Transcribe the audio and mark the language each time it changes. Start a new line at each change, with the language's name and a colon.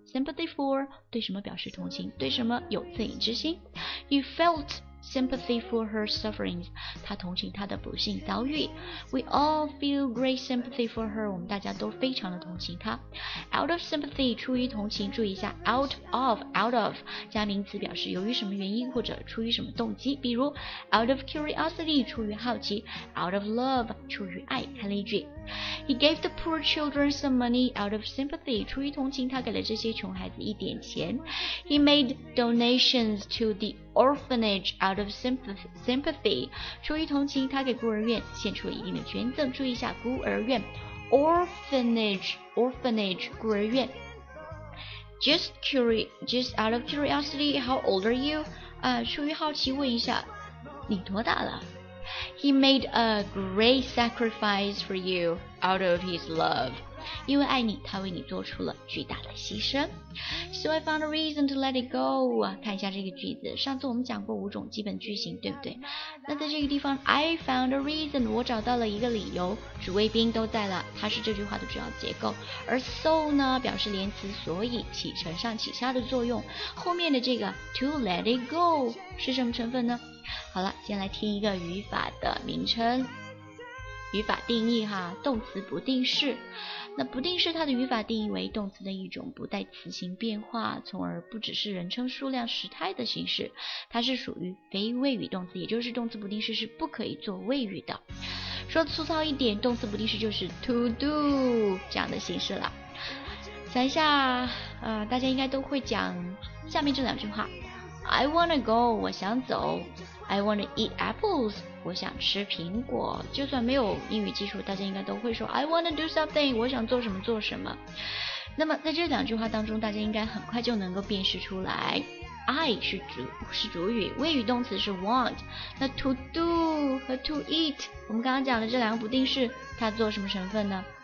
Chinese: sympathy for 对什么表示同情，对什么有恻隐之心。
English: You feltsympathy for her sufferings，
Chinese: 她同情她的不幸遭遇。
English: We all feel great sympathy for her，
Chinese: 我们大家都非常的同情她。
English: Out of sympathy，
Chinese: 出于同情，注意一下 out of 加名词表示由于什么原因或者出于什么动机，比如
English: out of curiosity，
Chinese: 出于好奇，
English: out of love，
Chinese: 出于爱。看了一句，
English: He gave the poor children some money out of sympathy，
Chinese: 出于同情，他给了这些穷孩子一点钱。
English: He made donations to theOrphanage out of sympathy，
Chinese: 出于同情，他给孤儿院献出了一定的捐赠。注意一下孤儿院 Orphanage 孤儿院。
English: Just out of curiosity, how old are you?
Chinese: 出于好奇问一下你多大了。
English: He made a great sacrifice for you out of his love，
Chinese: 因为爱你，他为你做出了巨大的牺牲。
English: So I found a reason to let it go，
Chinese: 看一下这个句子，上次我们讲过五种基本句型，对不对？那在这个地方
English: I found a reason，
Chinese: 我找到了一个理由，主谓宾都在了，它是这句话的主要结构。而 so 呢，表示连词所以，起承上启下的作用。后面的这个 to let it go 是什么成分呢？好了，先来听一个语法的名称，语法定义哈，动词不定式。那不定式它的语法定义为动词的一种不带词形变化，从而不只是人称、数量、时态的形式，它是属于非谓语动词，也就是动词不定式是不可以做谓语的。说粗糙一点，动词不定式就是 to do 这样的形式了。想一下，大家应该都会讲下面这两句话，
English: I wanna go，
Chinese: 我想走。
English: I want to eat apples，
Chinese: 我想吃苹果。就算没有英语基础，大家应该都会说
English: I want to do something，
Chinese: 我想做什么做什么。那么在这两句话当中，大家应该很快就能够辨识出来， I 是主语，谓语动词是 want， 那 to do 和 to eat， 我们刚刚讲的这两个不定式，它做什么成分呢？